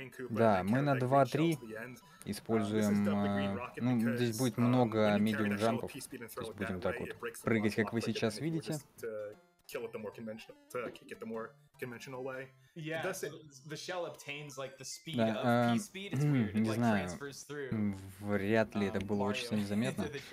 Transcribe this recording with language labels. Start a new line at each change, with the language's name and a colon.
Russian: Да, мы на 2-3 используем, ну, здесь будет много medium jump'ов, то есть будем так вот прыгать, как вы сейчас видите.
English: Kill it the more conventional, to kick it the more conventional way. Yeah, so the shell obtains like the speed of P speed. It's weird.
Russian: Не знаю.
English: Like,
Russian: вряд ли это было очень заметно.